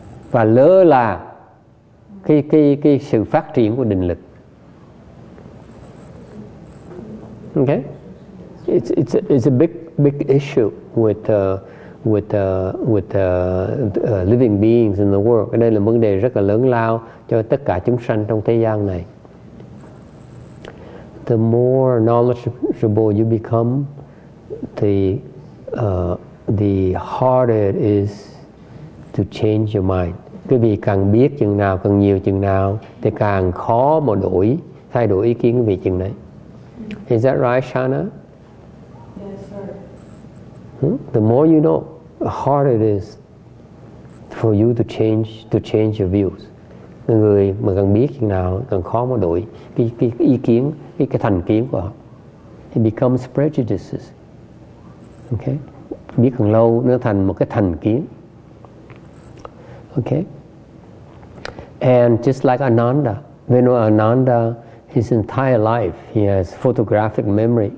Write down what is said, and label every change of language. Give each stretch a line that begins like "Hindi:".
Vietnamese: Và lơ là cái sự phát triển của định lực.
English: Okay, it's a big issue with living beings in the world.
Vietnamese: Cái đây là vấn đề rất là lớn lao cho tất cả chúng sanh trong thế gian này.
English: The more knowledgeable you become, the harder it is to change your mind.
Vietnamese: Quý vị càng biết chừng nào, càng nhiều chừng nào, thì càng khó mà thay đổi ý kiến về chừng đấy.
English: Is that right, Shana? Yes, sir. The more you know, the harder it is for you to change your views.
Vietnamese: Người mà càng biết chừng nào, càng khó mà đổi cái ý kiến. Cái thành kiến của họ.
English: It becomes prejudices.
Vietnamese: Okay? Biết càng lâu nó thành một cái thành kiến. Okay?
English: And just like Ananda, his entire life, he has photographic memory.